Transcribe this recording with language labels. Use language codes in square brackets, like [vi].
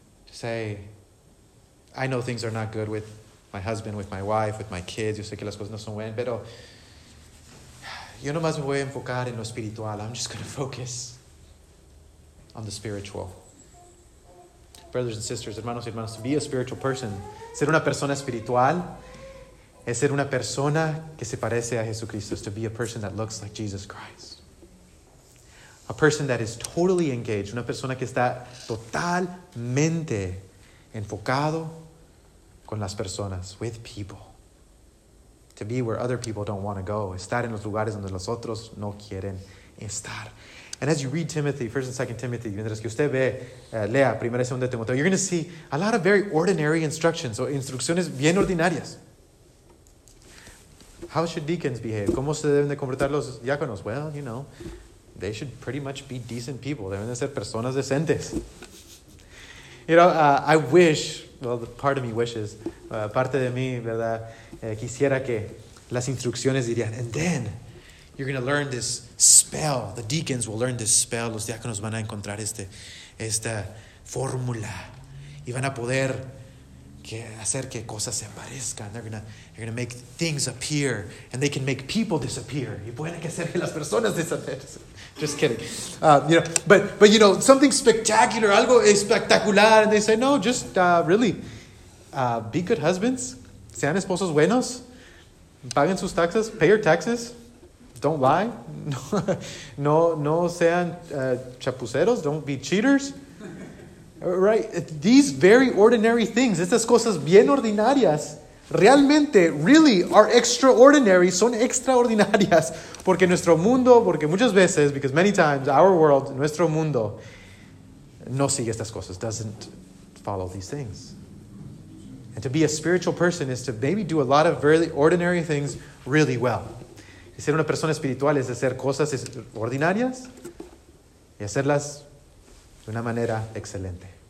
[en] Say, I know things are not good with my husband, with my wife, with my kids. [es] Yo sé que las cosas no son buenas, pero yo nomás me voy a enfocar en lo espiritual. [en] I'm just going to focus on the spiritual. Brothers and sisters, [es] hermanos y hermanas, [en] to be a spiritual person, [es] ser una persona espiritual, es ser una persona que se parece a Jesucristo, [en] is to be a person that looks like Jesus Christ. A person that is totally engaged. [es] Una persona que está totalmente enfocado con las personas. [en] With people. To be where other people don't want to go. [es] Estar en los lugares donde los otros no quieren estar. [en] And as you read Timothy, 1 and 2 Timothy, [es] mientras que usted ve, lea 1 y 2 Timoteo, [en] you're going to see a lot of very ordinary instructions. [es] O instrucciones bien ordinarias. [en] How should deacons behave? [es] ¿Cómo se deben de comportar los diáconos? [en] Well, you know, they should pretty much be decent people. [es] Deben de ser personas decentes. [en] You know, I wish, well, the part of me wishes, [es] parte de mí, verdad, quisiera que las instrucciones dirían, [en] and then you're going to learn this spell. The deacons will learn this spell. [es] Los diáconos van a encontrar esta fórmula. Y van a poder que hacer que cosas se parezcan. [en] They're gonna make things appear, and they can make people disappear. [es] Y pueden hacer que las personas desaparezcan. [en] Just kidding, but you know, something spectacular, [es] algo espectacular, [en] and they say no, just be good husbands, [es] sean esposos buenos, paguen sus taxes, [en] pay your taxes, don't lie, [es] no sean chapuceros, [en] don't be cheaters. Right? These very ordinary things, [es] estas cosas bien ordinarias, realmente, [en] really, are extraordinary, [es] son extraordinarias, porque nuestro mundo, porque muchas veces, [en] because many times, our world, [es] nuestro mundo, no sigue estas cosas, [en] doesn't follow these things. And to be a spiritual person is to maybe do a lot of very ordinary things really well. [es] Y ser una persona espiritual es hacer cosas ordinarias y hacerlas de una manera excelente.